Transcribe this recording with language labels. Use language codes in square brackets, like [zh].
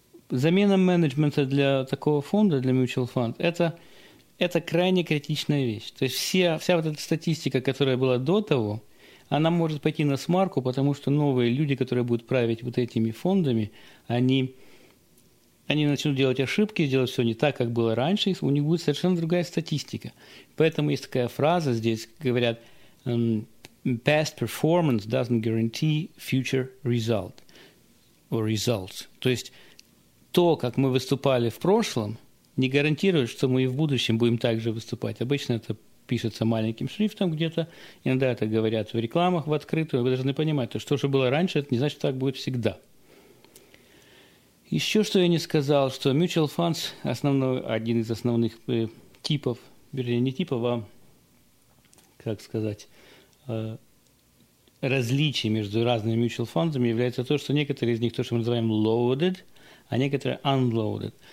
[ru] Замена менеджмента для такого фонда, для mutual fund, это крайне критичная вещь. То есть вся вот эта статистика, которая была до того, она может пойти на смарку, потому что новые люди, которые будут править вот этими фондами, они начнут делать ошибки, делать все не так, как было раньше, у них будет совершенно другая статистика. Поэтому есть такая фраза здесь, говорят, [en] past performance doesn't guarantee future result or results. [ru] То есть то, как мы выступали в прошлом, не гарантирует, что мы и в будущем будем так же выступать. Обычно это пишется маленьким шрифтом где-то, иногда это говорят в рекламах, в открытую. Вы должны понимать, то, что же было раньше, это не значит, что так будет всегда. Еще что я не сказал, что mutual funds один из основных типов, вернее, не типов, а, как сказать, различий между разными mutual funds является то, что некоторые из них то, что мы называем loaded, а некоторые unloaded.